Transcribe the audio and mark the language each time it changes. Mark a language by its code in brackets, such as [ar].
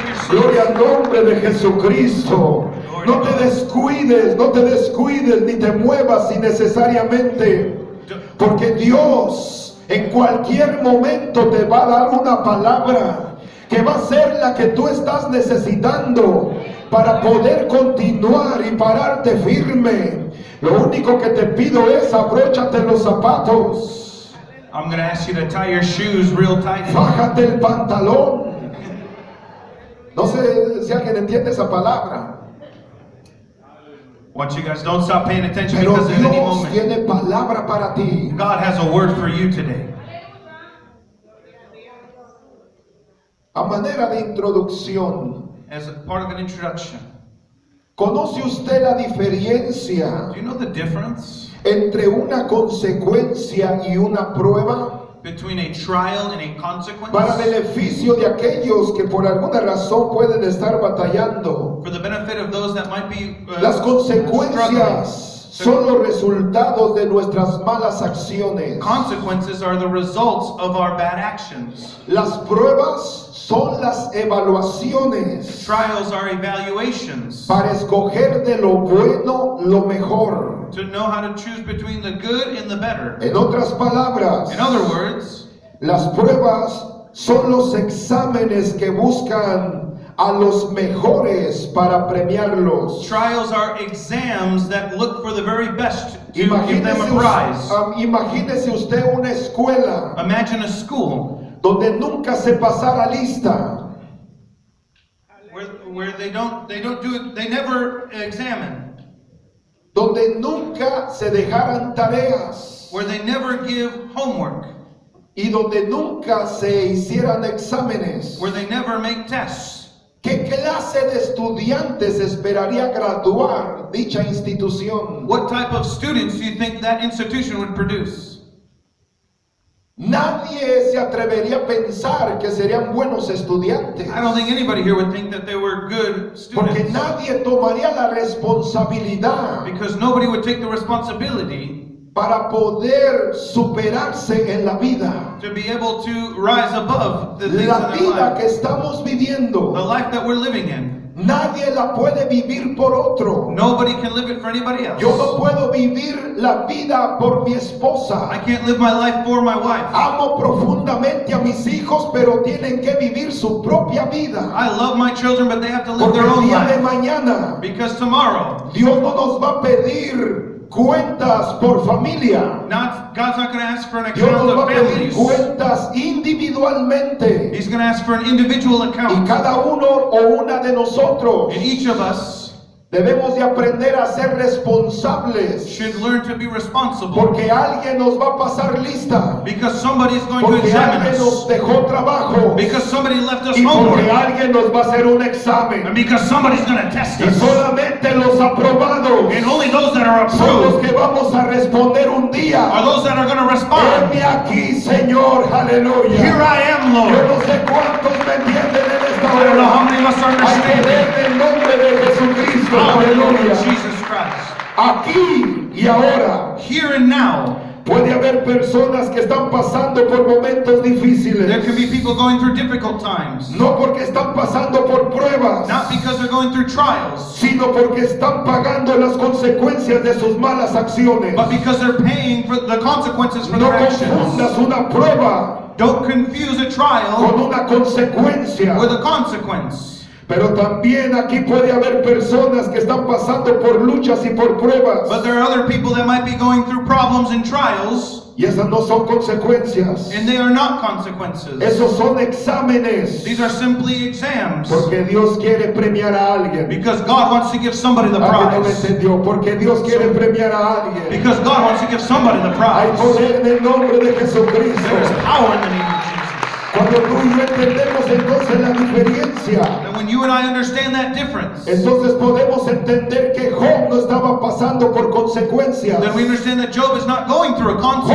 [es] Gloria al nombre de Jesucristo. No te descuides, no te descuides ni te muevas innecesariamente, porque Dios en cualquier momento te va a dar una palabra que va a ser la que tú estás necesitando para poder continuar y pararte firme. Lo único que te pido es abróchate los zapatos. [en] I'm gonna ask you to tie your shoes real tight. [es] Fájate el pantalón. No sé si alguien entiende esa palabra. [en] I want you guys don't stop paying attention. [es] Pero [en] because [es] Dios [en] in any moment. [es] Tiene palabra para ti. [en] God has a word for you today. [es] A manera de introducción. [en] As a part of an introduction. [es] ¿Conoce usted la diferencia? [en] Do you know the difference? [es] Entre una consecuencia y una prueba. [en] Between a trial and a consequence. [es] Para beneficio de aquellos que por alguna razón pueden estar batallando. [en] For the benefit of those that might be [es] las consecuencias son los resultados de nuestras malas acciones. [en] Consequences are the results of our bad actions. [es] Las pruebas son las evaluaciones. [en] Trials are evaluations. [es] Para escoger de lo bueno lo mejor. [en] To know how to choose between the good and the better. [es] En otras palabras, [en] in other words, [es] las pruebas son los exámenes que buscan a los mejores para premiarlos. [en] Trials are exams that look for the very best to give them a prize. [es] Imagínese usted una escuela. [en] Imagine a school. [es] Donde nunca se pasara lista. [en] Where they don't do it, they never examine. [es] Donde nunca se dejaran tareas. [en] Where they never give homework. [es] Y donde nunca se hicieran exámenes. [en] Where they never make tests. [es] ¿Qué clase de estudiantes esperaría graduar dicha institución? [en] What type of students do you think that institution would produce? [es] Nadie se atrevería a pensar que serían buenos estudiantes. [en] I don't think anybody here would think that they were good students. [es] Porque nadie tomaría la responsabilidad. [en] Because nobody would take the responsibility. [es] Para poder superarse en la vida. [en] To be able to rise above the things [es] la vida que estamos viviendo. [en] The life that we're living in. [es] Nadie la puede vivir por otro. [en] Nobody can live it for anybody else. [es] Yo no puedo vivir la vida por mi esposa. [en] I can't live my life for my wife. [es] Amo profundamente a mis hijos, pero tienen que vivir su propia vida. [en] I love my children, but they have to live [es] porque [en] their own life. [es] Porque el día de mañana. [en] Because tomorrow. [es] Dios no nos va a pedir cuentas por familia. [en] God's not going to ask for an account of families. [es] Cuentas individualmente. [en] He's going to ask for an individual account. [es] Y cada uno o una de nosotros. [en] And each of us. [es] Debemos de aprender a ser responsables. [en] Should learn to be responsible. [es] Porque alguien nos va a pasar lista. [en] Because somebody is going [es] porque [en] to examine us. [es] Porque alguien nos dejó trabajo. [en] Because somebody left us [es] y [en] homework. [es] Y porque alguien nos va a hacer un examen. [en] And because somebody's going to test [es] y [en] us. [es] Y solamente los aprobados. [en] And only those that are approved. [es] Son los que vamos a responder un día. [en] Are those that are going to respond. [es] Venme aquí, Señor, aleluya. [en] Here I am, Lord. [es] Yo no sé cuántos me entienden en esta [en] hora. I don't know how many of us are understanding. [es] En el nombre de Jesucristo. [en] Hallelujah. Jesus Christ. [es] Aquí y ahora. [en] Here and now. [es] Puede haber personas que están pasando por momentos difíciles. [en] There can be people going through difficult times. [es] No porque están pasando por pruebas. [en] Not because they're going through trials. [es] Sino porque están pagando las consecuencias de sus malas acciones. [en] But because they're paying for the consequences for their actions. [es] No confundas una prueba. [en] Don't confuse a trial [es] con una consecuencia. [en] With a consequence. [es] Pero también aquí puede haber personas que están pasando por luchas y por pruebas. [en] But there are other people that might be going through problems and trials. [es] Y esas no son consecuencias. [en] And they are not consequences. [es] Esos son exámenes. [en] These are simply exams. [es] Porque Dios quiere premiar a alguien. [en] Because God wants to give somebody the prize. [es] ¿Alguien no me entendió? Porque Dios quiere premiar a alguien. [en] Because God wants to give somebody the prize. [es] Hay poder en el nombre de Jesucristo. [en] There is power in the name of Jesus. [es] Cuando tú y yo entendemos entonces la diferencia. [en] And when you and I understand that difference. [es] Entonces podemos entender que Job no estaba pasando por consecuencias. [en] Then we understand that Job is not going through a consequence.